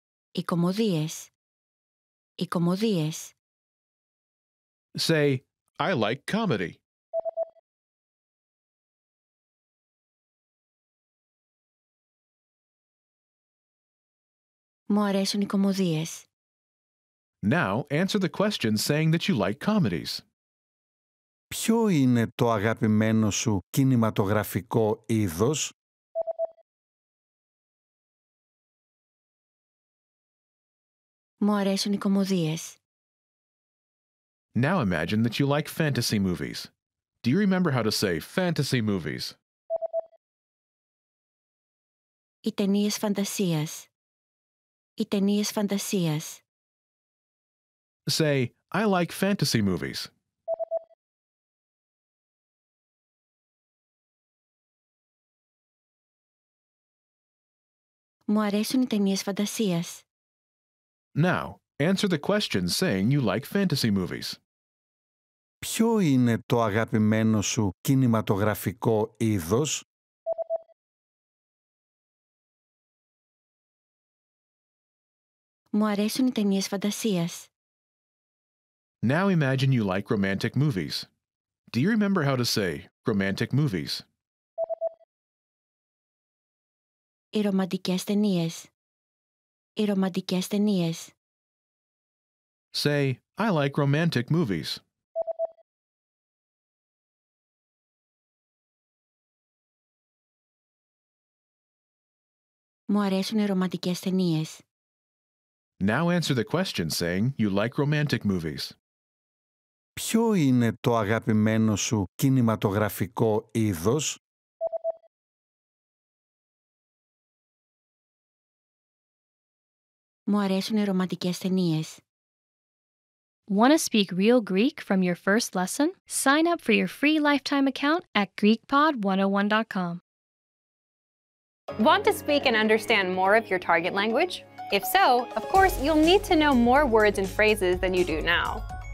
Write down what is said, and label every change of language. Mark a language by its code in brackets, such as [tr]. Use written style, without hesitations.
[el] Οι κωμωδίες. Οι κωμωδίες. [en] Say, I like comedy. [el] Μου αρέσουν οι κωμωδίες. [en] Now answer the question saying that you like comedies. [el] Ποιο είναι το αγαπημένο σου κινηματογραφικό είδος? Μου αρέσουν οι κωμωδίες. [en] Now imagine that you like fantasy movies. Do you remember how to say fantasy movies? [el] Οι ταινίες φαντασίας. Οι ταινίες φαντασίας. [en] Say, I like fantasy movies. [el] Μου αρέσουν οι ταινίες φαντασίας. [en] Now, answer the question saying you like fantasy movies. [el] Ποιο είναι το αγαπημένο σου κινηματογραφικό είδος? Μου αρέσουν οι ταινίες φαντασίας. [en] Now imagine you like romantic movies. Do you remember how to say romantic movies? [el] Οι ρομαντικές ταινίες. Οι ρομαντικές ταινίες. [en] Say, I like romantic movies. [el] Μου Μου αρέσουν οι ρομαντικές ταινίες. [en] Now answer the question saying you like romantic movies. [el] Ποιο είναι το αγαπημένο σου κινηματογραφικό είδος? Μου αρέσουν οι ρομαντικές ταινίες. [en] Want to speak real Greek from your first lesson? Sign up for your free lifetime account at GreekPod101.com. Want to speak and understand more of your target language? If so, of course, you'll need to know more words and phrases than you do now.